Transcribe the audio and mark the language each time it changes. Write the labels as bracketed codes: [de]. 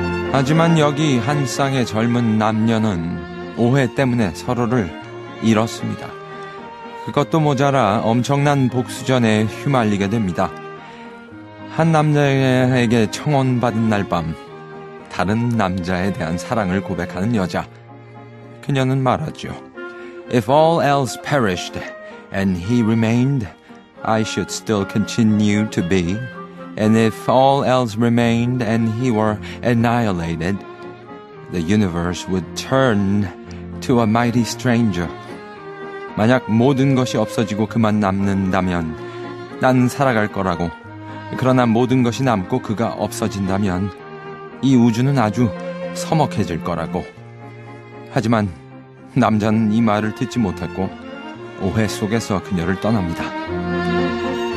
[ko] 하지만 여기 한 쌍의 젊은 남녀는 오해 때문에 서로를 잃었습니다. 그것도 모자라 엄청난 복수전에 휘말리게 됩니다. 한 남자에게 청혼받은 날 밤, 다른 남자에 대한 사랑을 고백하는 여자. 그녀는 말하죠. [en] If all else perished and he remained, I should still continue to be. And if all else remained and he were annihilated, the universe would turn to a mighty stranger. [ko] 만약 모든 것이 없어지고 그만 남는다면 난 살아갈 거라고. 그러나 모든 것이 남고 그가 없어진다면 이 우주는 아주 서먹해질 거라고. 하지만 남자는 이 말을 듣지 못했고 오해 속에서 그녀를 떠납니다.